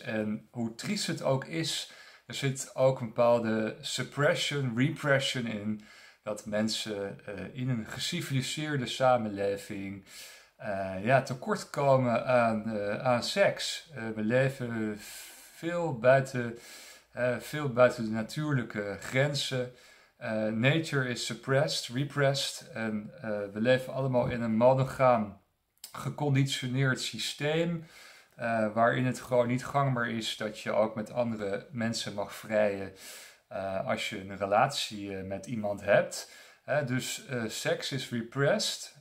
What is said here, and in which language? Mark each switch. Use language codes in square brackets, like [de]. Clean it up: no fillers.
[nl] En hoe triest het ook is, er zit ook een bepaalde suppression, repression in. Dat mensen in een geciviliseerde samenleving tekort komen aan seks. We leven veel buiten de natuurlijke grenzen. [en] Nature is suppressed, repressed. [nl] En we leven allemaal in een monogaam geconditioneerd systeem. Waarin het gewoon niet gangbaar is dat je ook met andere mensen mag vrijen. Als je een relatie met iemand hebt. Dus seks is repressed.